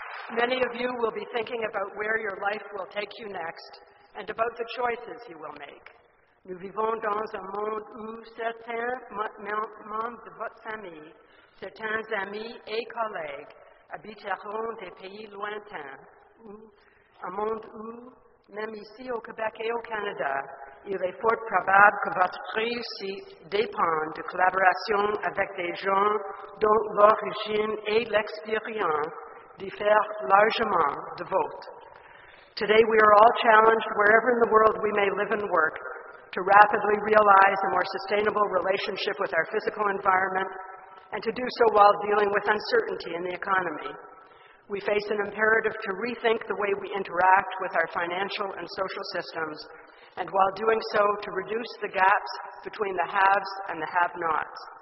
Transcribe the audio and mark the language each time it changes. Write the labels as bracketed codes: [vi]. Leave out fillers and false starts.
[en] many of you will be thinking about where your life will take you next and about the choices you will make. [fr] Nous vivons dans un monde où certains membres de votre famille, certains amis et collègues habiteront des pays lointains, un monde où, même ici au Québec et au Canada, il est fort probable que votre réussite dépende de collaboration avec des gens dont l'origine et l'expérience diffèrent largement de vôtre. [en] Today we are all challenged, wherever in the world we may live and work, to rapidly realize a more sustainable relationship with our physical environment, and to do so while dealing with uncertainty in the economy. We face an imperative to rethink the way we interact with our financial and social systems, and while doing so, to reduce the gaps between the haves and the have-nots.